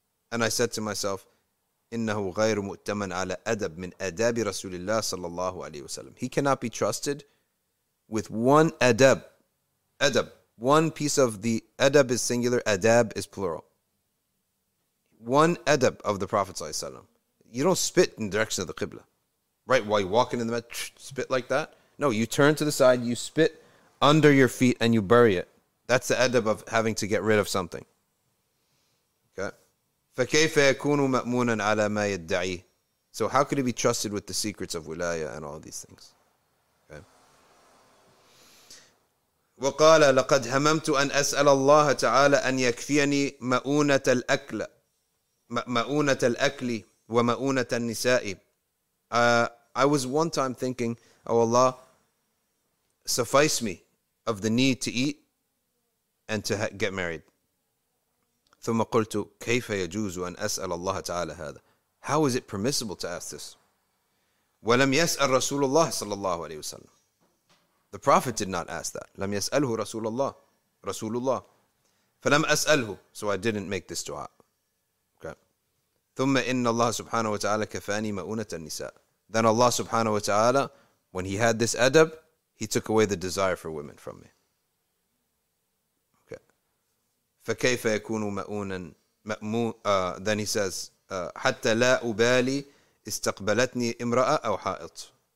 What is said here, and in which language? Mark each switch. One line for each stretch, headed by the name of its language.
English: And I said to myself,
Arabic: إنه غير مؤتمن على أدب من أداب رسول الله صلى الله عليه وسلم.
English: He cannot be trusted with one adab. Adab. One piece of the adab is singular, adab is plural. One adab of the Prophet
Arabic: صلى الله عليه وسلم.
English: You don't spit in the direction of the Qibla. Right, while you're walking in the mat, spit like that? No, you turn to the side, you spit under your feet, and you bury it. That's the adab of having to get rid of something.
Arabic: Okay? فَكَيْفَ يَكُونُ مَأْمُونًا عَلَى مَا يَدَّعِي.
English: So how could he be trusted with the secrets of wilaya and all these things? Okay?
Arabic: وَقَالَ لَقَدْ هَمَمْتُ أَنْ أَسْأَلَ اللَّهَ تَعَالَى أَنْ يَكْفِيَنِي مَأُونَةَ الْأَكْلِ مَأُونَةَ الْأَكْلِ وَمَأُونَةَ النِّسَاءِ.
English: I was one time thinking, oh Allah, suffice me of the need to eat and to get married.
Arabic: ثم قلت كيف يجوز أن أسأل الله تعالى هذا.
English: How is it permissible to ask this?
Arabic: ولم يسأل رسول الله صلى الله عليه وسلم.
English: The Prophet did not ask that.
Arabic: لم يسأله رسول الله. رسول الله. فلم أسأله.
English: So I didn't make this dua.
Arabic: ثم إن الله سبحانه وتعالى كفاني مؤونة النساء.
English: Then Allah subhanahu wa ta'ala, when he had this adab, he took away the desire for women from me.
Arabic: Okay. فَكَيْفَ يَكُونُ مَأُونًا
English: then he says,
Arabic: حَتَّى لَا أُبَالِي إِسْتَقْبَلَتْنِي إِمْرَأَ أَوْ حَائِطْ.